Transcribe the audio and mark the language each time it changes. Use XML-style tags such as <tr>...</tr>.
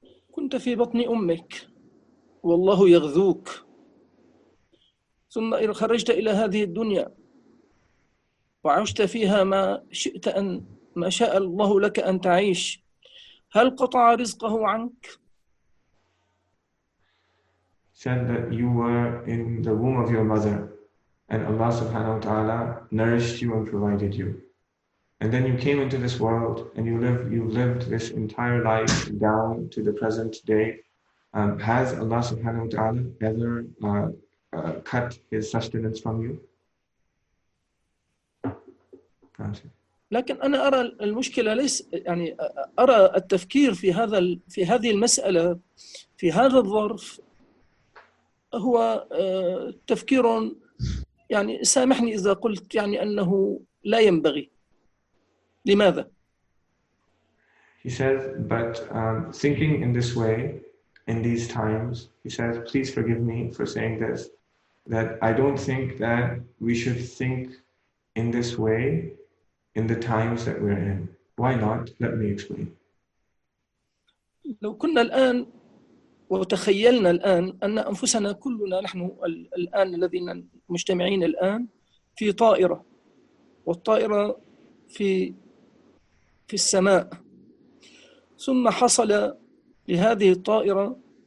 <ar>كنت في بطن أمك والله يغذوك ثم إن خرجت إلى هذه الدنيا وعشت فيها ما شئت أن ما شاء الله لك أن تعيش هل قطع رزقه عنك؟</ar> <en>Said that you were in the womb of your mother and Allah subhanahu wa ta'ala nourished you and provided you. And then you came into this world and you lived this entire life down to the present day. Has Allah subhanahu wa ta'ala ever cut his sustenance from you?</en> <ar>لكن أنا أرى المشكلة ليس يعني أرى التفكير في هذا في هذه المسألة في هذا الظرف هو تفكير يعني سامحني إذا قلت يعني أنه لا ينبغي لماذا؟</ar> <en>He says, but thinking in this way, in these times, he says, please forgive me for saying this, that I don't think that we should think in this way in the times that we're in. Why not? Let me explain.</en> <ar>لو كنا الآن وتخيلنا الآن أن أنفسنا كلنا نحن الآن الذين مجتمعين الآن في طائرة والطائرة في السماء ثم حصل لهذه الطائرة</ar>